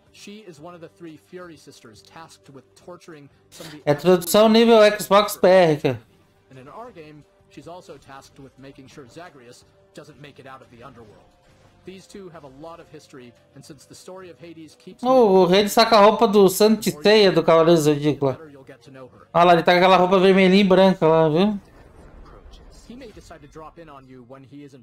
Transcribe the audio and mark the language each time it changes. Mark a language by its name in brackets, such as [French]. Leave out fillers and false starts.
[English] She is one of the three Fury sisters tasked with torturing some of the... [Portuguese] É tradução nível Xbox PR. [English] And in our game, she's also tasked with making sure Zagreus doesn't make it out of the underworld. These two have a lot of history, and since the story of Hades keeps... [Portuguese] Oh, o rei saca a roupa do Santa Teia do Cavaleiro Zodíaco. Olha lá, ele tá com aquela roupa vermelhinha e branca lá, viu? [English] He may decide to drop in on you when he isn't...